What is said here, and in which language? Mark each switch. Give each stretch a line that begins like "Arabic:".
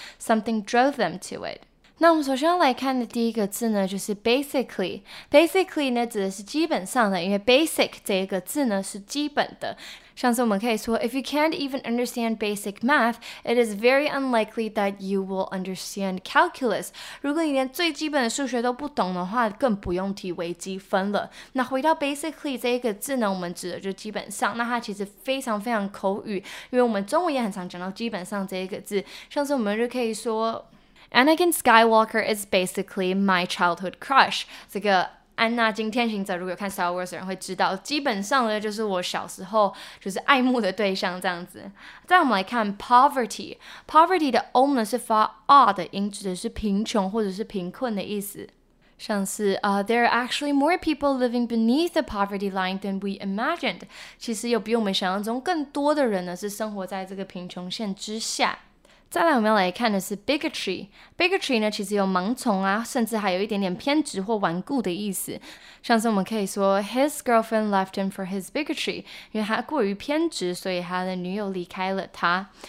English: Something drove them to it.
Chinese: 那我们首先要来看的第一个字呢，就是 basically。 basically 呢指的是基本上的，因为 basic 这个字呢是基本的。像是我们可以说
English: If you can't even understand basic math, it is very unlikely that you will understand calculus.
Chinese: 如果你连最基本的数学都不懂的话，更不用提微积分了。那回到 basically 这个字呢，我们指的就基本上。那它其实非常非常口语，因为我们中文也很常讲到基本上这个字。像是我们就可以说
English: Anakin Skywalker is basically my childhood crush.
Chinese: 这个安娜金天行者如果有看 Star Wars 的人会知道基本上呢就是我小时候就是爱慕的对象这样子。再我们来看 poverty。poverty 的 om 呢是发 r 的音指的是贫穷或者是贫困的意思。
English: 像是there are actually more people living beneath the poverty line than we imagined.
Chinese: 其实有比我们想象中更多的人呢是生活在这个贫穷线之下。再来我们要来看的是 bigotry。bigotry 呢其实有盲从啊甚至还有一点点偏执或顽固的意思。像是我们可以说
English: his girlfriend left him for his bigotry,
Chinese: 因为他过于偏执所以他的女友离开了他。